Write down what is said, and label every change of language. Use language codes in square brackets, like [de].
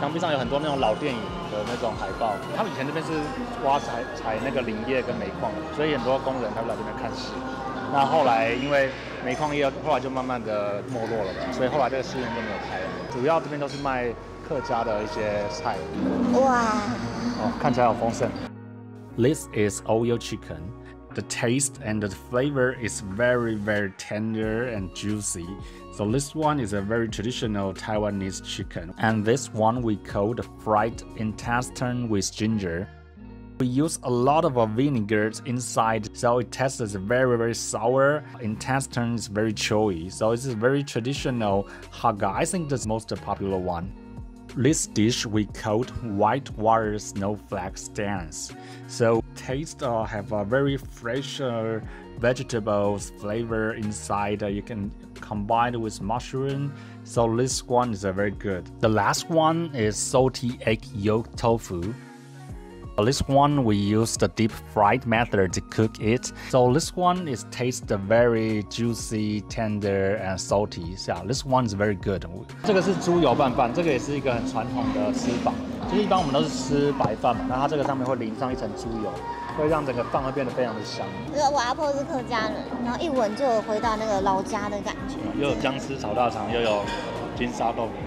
[zh] 墙壁上有很多那种老电影。的那种海报，他们以前这边是挖采那个林业跟煤矿，所以很多工人他们来这边看戏。那后来因为煤矿业后来就慢慢的没落了吧，所以后来这个戏院就没有开了。主要这边都是卖客家的一些菜。哇，哦，看起来好丰盛。 [en] This is Oyo chicken. The taste and the flavor is very very tender and juicy. So this one is a very traditional Taiwanese chicken. And this one we call the fried intestine with ginger. We use a lot of vinegar inside, so it tastes very, very sour. Intestine is very chewy. So it's a very traditional haga. I think that's the most popular one. This dish we call white water snowflake dance. So taste have a very fresh vegetables flavor inside. You can. Combined with mushroom, so this one is very good. The last one is salty egg yolk tofu. This one we use the deep fried method to cook it. So this one is taste very juicy, tender and salty. Yeah, this one is very good. [zh] 这个是猪油拌饭，这个也是一个很传统的吃法。就是一般我们都是吃白饭嘛，那它这个上面会淋上一层猪油。会让整个饭会变得非常的香。这个我阿婆是客家人，然后一闻就有回到那个老家的感觉。又有姜丝炒大肠，又有金沙豆腐。